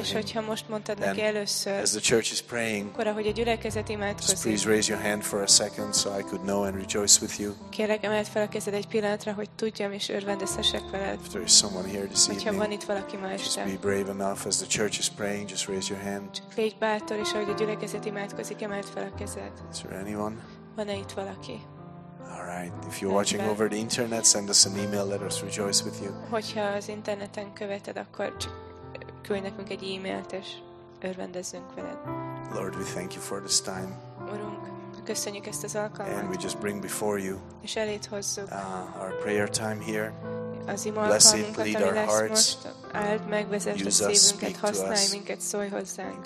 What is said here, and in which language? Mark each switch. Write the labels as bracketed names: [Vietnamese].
[Hungarian] és hogyha most mondtad neki először, [English] as the church is praying, [Hungarian] akkor ahogy a gyülekezet imádkozik, [English] just please raise your hand for a second so I could know and rejoice with you. [Hungarian] Kérlek, emeld fel a kezed egy pillanatra, hogy tudjam és örvendezhessek veled. [English] If there is someone here this [Hungarian] evening, hogyha van itt valaki ma este, [English] just be brave enough as the church is praying, just raise your hand. [Hungarian] Csak légy bátor, és ahogy a gyülekezet imádkozik, emeld fel a kezed. [English] Is there anyone? [Hungarian] Van-e itt valaki? [English] All right. If you're watching over the internet, send us an email. Let us rejoice with you. [Hungarian] Hogyha az interneten követed, akkor küldj nekünk egy e-mailt, és örvendezzünk veled. [English] Lord, we thank you for this time. [Hungarian] Urunk, köszönjük ezt az alkalmat. [English] And we just bring before you. [Hungarian] És eléd hozzuk. [English] Our prayer time here. [Hungarian] Az ima alkalmunkat, ami lesz most. Áld meg, vezess a szívünket, használj minket, szólj hozzánk.